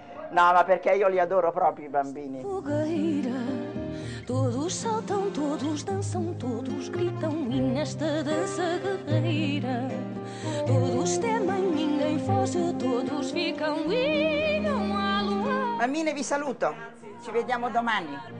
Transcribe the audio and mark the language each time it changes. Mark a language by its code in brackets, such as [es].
[it] No, ma perché io li adoro proprio i bambini. [pt] Todos saltam, todos dançam, todos gritam e nesta dança guerreira todos temem, ninguém foge, todos ficam e não há lua. [it] Bambine, vi saluto, ci vediamo domani.